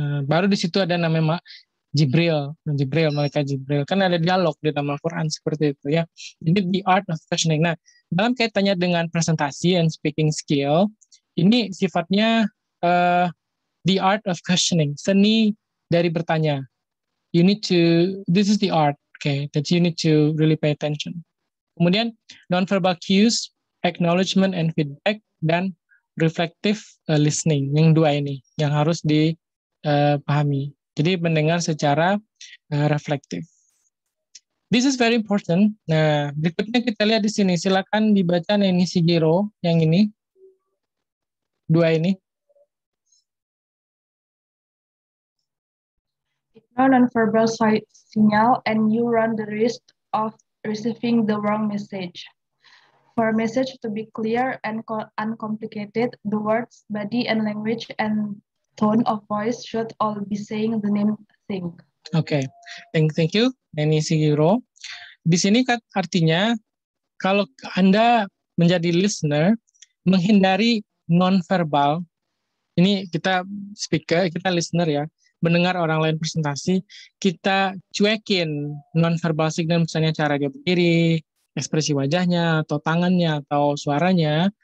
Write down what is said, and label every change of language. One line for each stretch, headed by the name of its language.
Indonesian: Baru di situ ada namanya Jibril, Malaikat Jibril. Kan ada dialog di dalam Al-Quran seperti itu ya. Ini
English: the art of questioning.
Indonesian: Nah, dalam kaitannya dengan presentasi
English: and speaking skill,
Indonesian: ini sifatnya
English: the art of questioning,
Indonesian: seni dari bertanya.
English: You need to, this is the art, okay, that you need to really pay attention.
Indonesian: Kemudian,
English: non-verbal cues, acknowledgement and feedback,
Indonesian: dan
English: reflective listening,
Indonesian: yang dua ini, yang harus dipahami. Jadi mendengar secara reflektif.
English: This is very important.
Indonesian: Nah, berikutnya kita lihat di sini. Silakan dibaca ini Sigiro, yang ini. Dua ini.
English: Ignore non-verbal signal and you run the risk of receiving the wrong message. For a message to be clear and uncomplicated, the words, body and language and tone of voice should all be saying the name thing. Okay, thank you, Nani Sigiro.
Indonesian: Di sini kan artinya, kalau Anda menjadi listener, menghindari non-verbal, ini kita speaker, kita listener ya, mendengar orang lain presentasi, kita cuekin non-verbal signal, misalnya cara dia berdiri, ekspresi wajahnya, atau tangannya, atau suaranya.